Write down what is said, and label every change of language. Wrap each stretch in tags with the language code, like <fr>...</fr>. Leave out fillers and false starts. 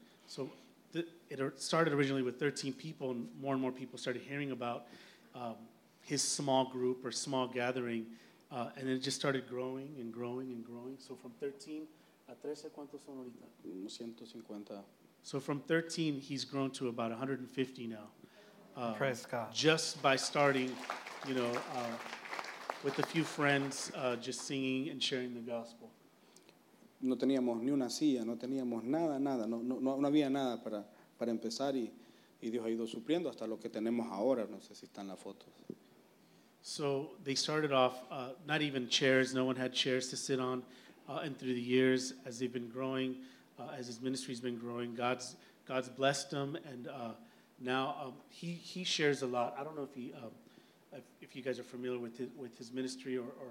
<en>So it started originally with 13 people, and more people started hearing about his small group or small gathering, and then it just started growing and growing and growing. So from 13</en> <es>a 13, ¿cuántos son ahorita? 150.</es> <en>So from 13, he's grown to about 150 now. Praise God. Just by starting, you know, with a few friends, just singing and sharing the gospel.</en> <es>No teníamos ni una silla, no teníamos nada. No había nada para empezar y Dios ha ido supliendo hasta lo que tenemos ahora. No sé si están las fotos.</es> <en>So they started off, not even chairs. No one had chairs to sit on. And through the years, as they've been growing, as his ministry's been growing, God's blessed them. And now he shares a lot. I don't know if you guys are familiar with his ministry or</en>